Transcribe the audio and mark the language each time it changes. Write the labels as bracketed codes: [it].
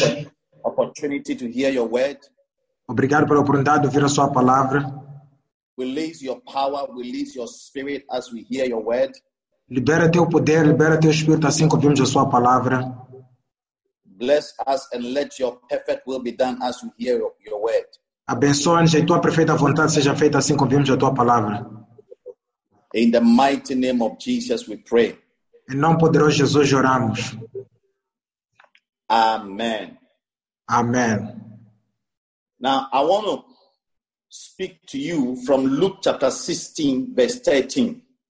[en] thank you for the opportunity to hear your word. [pt] Obrigado pela oportunidade de ouvir a sua palavra. [en] Release your power, release your spirit as we hear your word. [pt] Libera teu poder, libera teu espírito assim que ouvimos a sua palavra. [en] Bless us and let your perfect will be done as we hear your word. [pt] Abençoa-nos e tua perfeita vontade seja feita assim que ouvimos a tua palavra. [en] In the mighty name of Jesus, we pray. [pt] Em nome poderoso de Jesus, oramos. [en] Amen. [pt] Amen. [en] Now, I want to speak to you from Luke chapter 16, verse 13.